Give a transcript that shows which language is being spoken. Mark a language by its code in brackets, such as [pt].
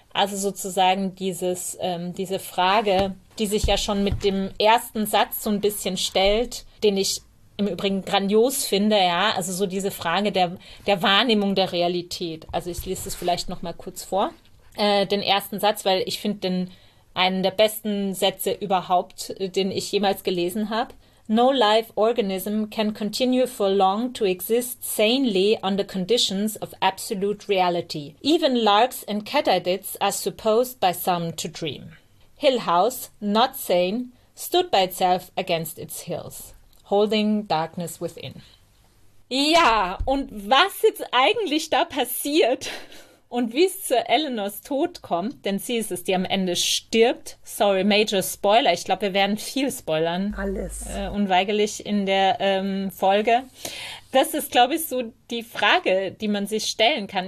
[de] Also sozusagen diese Frage, die sich ja schon mit dem ersten Satz so ein bisschen stellt, den ich im Übrigen grandios finde, ja, also so diese Frage der Wahrnehmung der Realität. Also ich lese es vielleicht noch mal kurz vor, den ersten Satz, weil ich finde den einen der besten Sätze überhaupt, den ich jemals gelesen habe. [en] No life organism can continue for long to exist sanely under conditions of absolute reality. Even larks and katydids are supposed by some to dream. Hill House, not sane, stood by itself against its hills. Holding Darkness Within. [de] Ja, und was jetzt eigentlich da passiert, Und wie es zu Eleanors Tod kommt, denn sie ist es, die am Ende stirbt. [en] Sorry, Major Spoiler. [de] Ich glaube, wir werden viel spoilern, Alles. unweigerlich in der Folge. Das ist, glaube ich, so die Frage, die man sich stellen kann.